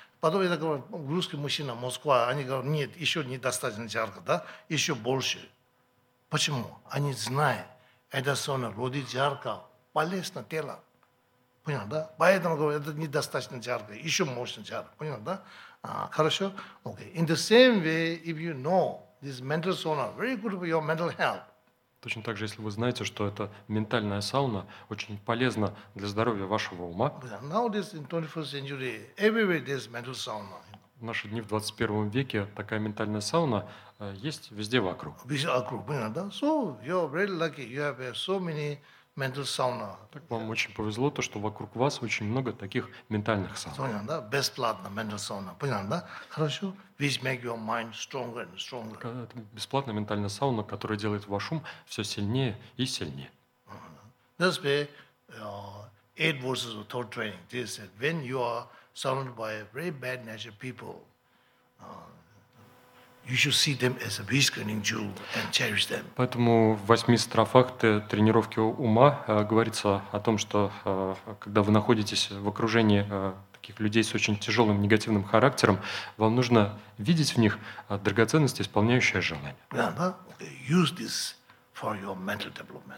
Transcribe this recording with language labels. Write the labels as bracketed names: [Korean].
[Russian] Потом я говорю, русский мужчина, Москва, они говорят, нет, еще недостаточно жарко, да, еще больше. Почему? Они знают, это сон, вроде жарко, полезно тело. Понял, да? Поэтому говорю, это недостаточно жарко, еще мощно жарко. Понял, да? Хорошо? Okay. [English] In the same way, if you know this mental sauna, very good for your mental health. [Russian] Точно так же, если вы знаете, что это ментальная сауна, очень полезна для здоровья вашего ума. [English] Nowadays, in 21st century, everywhere there's mental sauna. [Russian] В наши дни, в 21 веке, такая ментальная сауна есть везде вокруг. Везде вокруг, понятно, да? [English] So, you're really lucky, you have so many mental sauna. [Russian] Так вам очень повезло, то, что вокруг вас очень много таких ментальных саун. Понятно, да? Бесплатно [English] mental sauna, [Russian] понятно, да? Хорошо? [English] Which make your mind stronger and stronger. [Russian] Это бесплатная ментальная сауна, которая делает ваш ум все сильнее и сильнее. [English] That's why eight verses of Torah training. This is that when you are surrounded by very bad natured people, you should see them as a wish-granting jewel and cherish them. [Russian] Поэтому в восьми строфах тренировки ума говорится о том, что когда вы находитесь в окружении таких людей с очень тяжелым негативным характером, вам нужно видеть в них драгоценности, исполняющие желания. [English] Use this for your mental development.